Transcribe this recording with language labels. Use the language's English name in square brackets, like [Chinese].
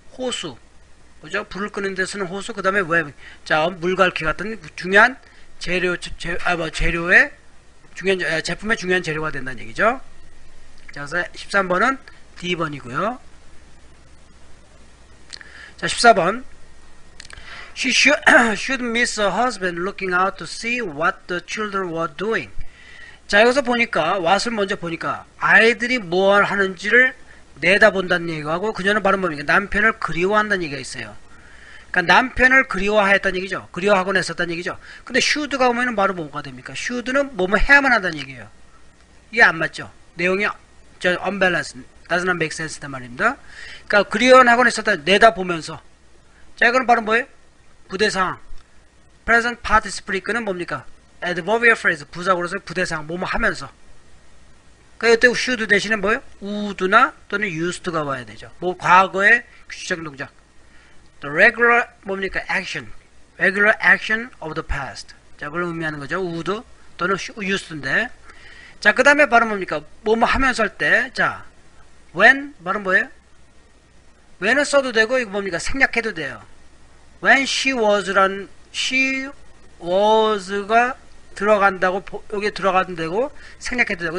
[Korean] 호수. 그죠? 불을 끄는 데 쓰는 호수. 그 다음에 왜? 자, 물갈퀴 같은 중요한 재료, 재료의 중요한 제품의 중요한 재료가 된다는 얘기죠. 자, 그래서 13번은 D번이고요. 자, 14번. [English] She should miss her husband looking out to see what the children were doing. [Korean] 자, 여기서 보니까 what을 먼저 보니까 아이들이 무엇을 하는지를 내다본다는 얘기하고 그녀는 바로 뭡니까? 남편을 그리워한다는 얘기가 있어요. 그러니까 남편을 그리워했다는 얘기죠. 그리워하곤 했었다는 얘기죠. 근데 should가 오면 바로 뭐가 됩니까? should는 뭐뭐 해야만 한다는 얘기예요. 이게 안 맞죠. 내용이 저 unbalanced, [English] does not make sense [Korean] 단 말입니다. 그러니까 그리워하곤 했었다. 내다보면서. 자, 이건 바로 뭐예요? 부대상. present participle는 뭡니까? adverbial phrase, 부사고로서 부대상, 뭐뭐 하면서. 그러니까 이때 should 대신에 뭐예요? would나 또는 used가 와야 되죠. 뭐 과거의 규칙적 동작. [English] The regular 뭡니까 action, regular action of the past. [Korean] 자, 그걸 의미하는 거죠. Would 또는 used인데. 자, 그 다음에 바로 뭡니까? 뭐뭐 하면서 할 때, 자, when 바로 뭐예요? When을 써도 되고 이거 뭡니까? 생략해도 돼요. [English] When she was [Korean] 란 she was가 들어간다고 여기 들어가도 되고 생략해도 되고.